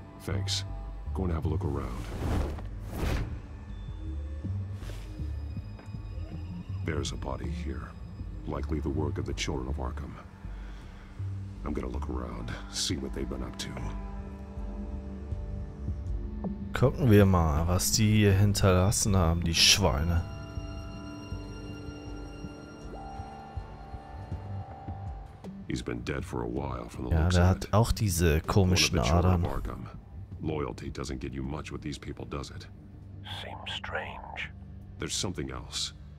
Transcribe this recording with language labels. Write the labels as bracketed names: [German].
[English] Thanks. Go and have a look around. There's a body here. Likely the work of the children of Arkham. I'm gonna look around, see what they've been up to. [German] Gucken wir mal, was die hier hinterlassen haben, die Schweine. [English] He's been dead for a while, from the looks of it. [German] Ja, der hat auch diese komischen Adern. [English] Loyalty doesn't get you much with these people, does it? Seems strange. There's something else.